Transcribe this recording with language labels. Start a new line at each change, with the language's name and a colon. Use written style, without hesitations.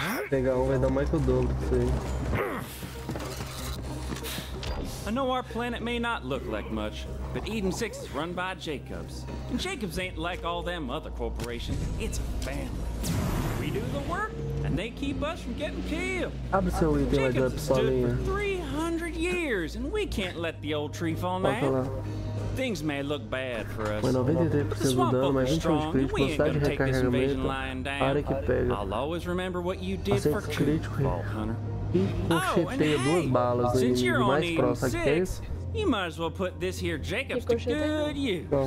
Portuguese: Pegar um vai dar mais que o dobro, sim.
English: I know our planet may not look like much, but Eden 6 is run by Jacobs. And Jacobs ain't like all them other corporations. It's a family. We do the work, and they keep us from getting killed. Absolutely, Jacobs has stood for 300 years, and we can't let the old tree fall now. Things may look bad for us.
Portuguese: Bueno, 93% do dano, mas 21% de recarregamento. Para que pega.
English: I'll always remember what you did for
Portuguese: crítico, e ricocheteia duas balas aí, e mais próximo que tem isso.
English: You might as well put this here Jacobs to good use.